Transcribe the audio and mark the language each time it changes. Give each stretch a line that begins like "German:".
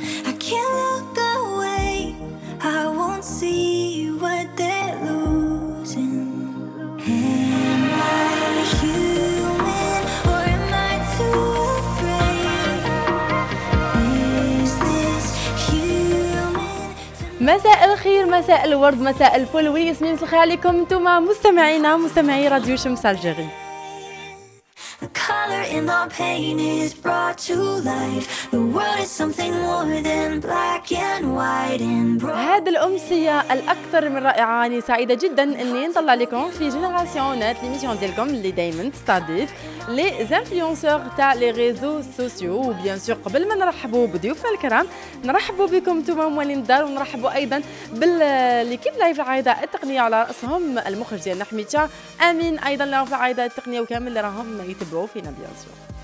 English: I can't look away. I won't see what they're losing. Am I human or am I too afraid? Is this human?
Arabic: مساء الخير, مساء الورد, مساء الفل, وياسمين مساء الخير عليكم انتم مستمعينا مستمعي راديو شمس الجري.
English: And the pain is brought to life. The world is something more than black and white and broken.
Arabic: هذه الأمسية الأكثر من رائعة. أني سعيدة جدا أني نطلع لكم في جنراسيونات الميسيون ديالكم اللي دايما تستضيف لي زانفلونسور تاع لي ريزو سوسيو. وبيان سور قبل ما نرحبوا بضيوفنا الكرام نرحبوا بكم انتم موالين الدار, ونرحبوا ايضا بالليكيب لايف العايده التقنيه على راسهم المخرج ديالنا حميتشا, امين ايضا له في العايده التقنيه, وكامل اللي راهم يتبعوا فينا بيان سور.